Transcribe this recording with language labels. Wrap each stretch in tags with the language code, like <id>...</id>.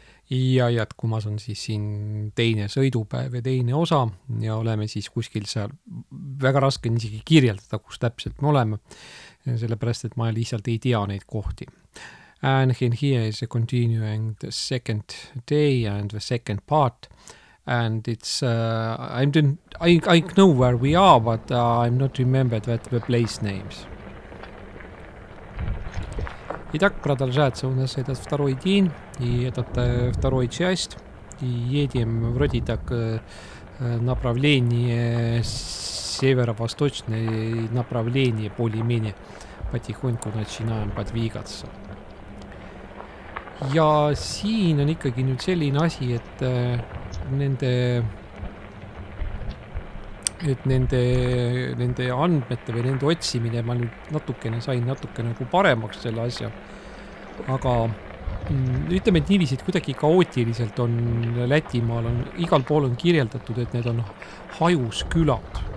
<et>Ja jätkumas on siis siin teine sõidupäev ja teine osa ja oleme siis kuskil seal, väga raske on isegi kirjeldada, kus täpselt me oleme, sellepärast, et ma lihtsalt ei tea neid kohti.</et> <en>And here is a continuing the second day and the second part. And it's, I know where we are, but I'm not remembered that the place names.</en> <ru>Итак, продолжается у нас этот второй день, и этот второй часть. И едем вроде так направление северо-восточное направление более-менее потихоньку начинаем подвигаться.</ru> <et>Ja siin on ikkagi nüüd selline asi, et nende andmete või nende otsimine ma nüüd sain natukene nagu paremaks selle asja. Aga ütleme, et niiviselt kuidagi kaootiliselt on Lätimaal, on igal pool on kirjeldatud, et need on hajus külad.</et>